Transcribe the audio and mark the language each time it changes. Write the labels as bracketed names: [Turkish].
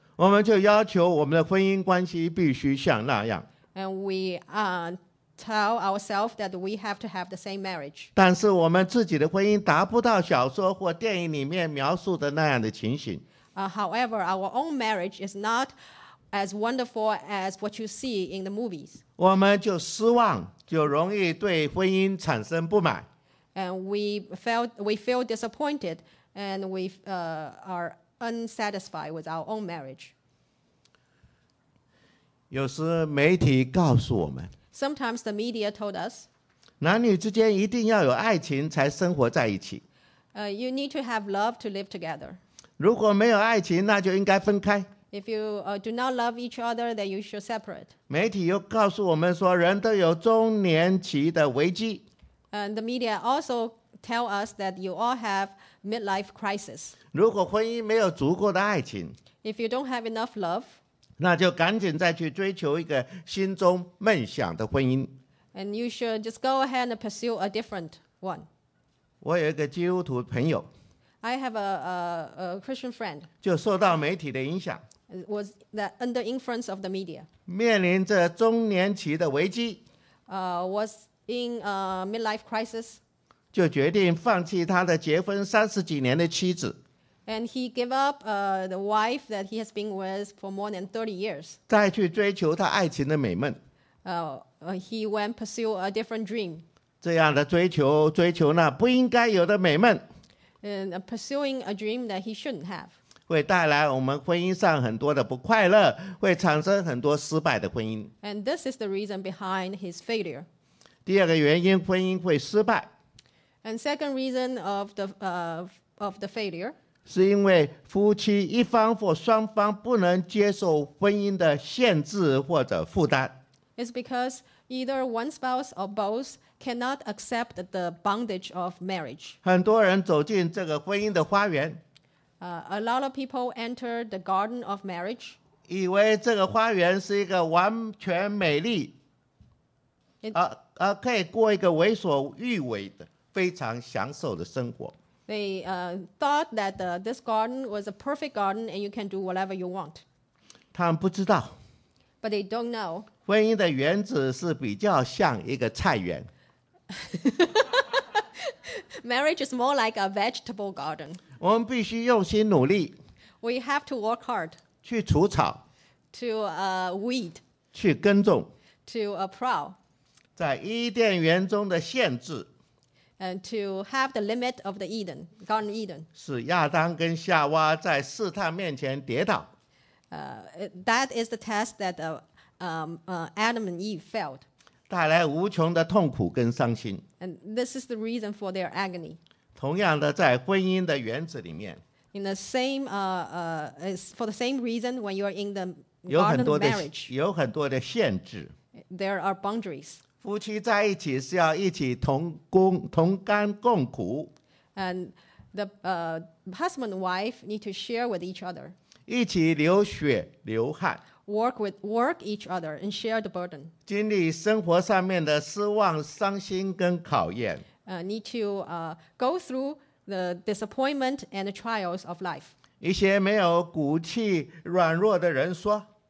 [Chinese] 我们就要求我们的婚姻关系必须像那样。 [English] And we tell ourselves that we have to have the same marriage. [Chinese] 但是我们自己的婚姻达不到小说或电影里面描述的那样的情形。 [English] However, our own marriage is notas wonderful as what you see in the movies. [Chinese] 我们就失望，就容易对婚姻产生不满。 [English] And we feel disappointed, and we are unsatisfied with our own marriage. [Chinese] 有时媒体告诉我们。 [English] Sometimes the media told us. [Chinese] 男女之间一定要有爱情才生活在一起。 [English] You need to have love to live together. [Chinese] 如果没有爱情，那就应该分开。 [English] If you do not love each other, then you should separate. [Chinese] 媒体又告诉我们说，人都有中年期的危机。 [English] And the media also tell us that you all have midlife crisis. [Chinese] 如果婚姻没有足够的爱情 [English] ，If you don't have enough love, [Chinese] 那就赶紧再去追求一个心中梦想的婚姻。 [English] And you should just go ahead and pursue a different one. [Chinese] 我有一个基督徒朋友。 [English] I have a Christian friend. [Chinese] 就受到媒体的影响。 [English] Was that under influence of the media? [Chinese] 面临着中年期的危机。 [English] Was in a midlife crisis. [Chinese] 就决定放弃他的结婚三十几年的妻子。 [English] And he gave up the wife that he has been with for more than 30 years. [Chinese] 再去追求他爱情的美梦。 [English] He went pursue a different dream. [Chinese] 这样的追求那不应该有的美梦。 [English] And pursuing a dream that he shouldn't have. [Chinese] 会带来我们婚姻上很多的不快乐，会产生很多失败的婚姻。 [English] And this is the reason behind his failure. [Chinese] 第二个原因，婚姻会失败。 [English] And second reason of the failure. [Chinese] 是因为夫妻一方或双方不能接受婚姻的限制或者负担。 [English] It's because either one spouse or both cannot accept the bondage of marriage. [Chinese] 很多人走进这个婚姻的花园。 [English] A lot of people enter the garden of marriage. [Chinese] 以为这个花园是一个完全美丽，而可以过一个为所欲为的非常享受的生活。 [English] They thought that this garden was a perfect garden and you can do whatever you want. [Chinese] 他们不知道。 [English] But they don't know. [Chinese] 婚姻的原则是比较像一个菜园。 [English] Marriage is more like a vegetable garden. [Chinese] 我们必须用心努力。 [English] We have to work hard. [Chinese] 去除草。 [English] To weed. [Chinese] 去耕种。 [English] To plow. [Chinese] 在伊甸园中的限制。 [English] And to have the limit of the Eden, Garden Eden. [Chinese] 是亚当跟夏娃在试探面前跌倒。 [English] That is the test that Adam and Eve failed. [Chinese] 带来无穷的痛苦跟伤心。 [English] And this is the reason for their agony. [Chinese] 同样的，在婚姻的园子里面。 [English] In the same, for the same reason, when you are in the Garden of Marriage, [Chinese] 有很多的限制。 [English] There are boundaries. [Chinese] 夫妻在一起是要一起同甘共苦。 [English] And the husband and wife need to share with each other. [Chinese] 一起流血流汗。 [English] Work each other and share the burden. [Chinese] 经历生活上面的失望、伤心跟考验。 [English] Need to go through the disappointment and the trials of life. [Chinese] 一些没有骨气、软弱的人说。